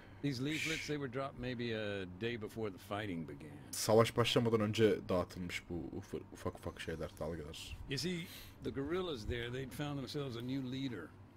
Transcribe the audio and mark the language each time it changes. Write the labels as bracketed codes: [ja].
[en] These leaflets, they were dropped maybe a day before the fighting began. [tr] Savaş başlamadan önce dağıtılmış bu ufak ufak şeyler, dalgalar. [en] You see, the guerrillas there, they'd found themselves a new leader.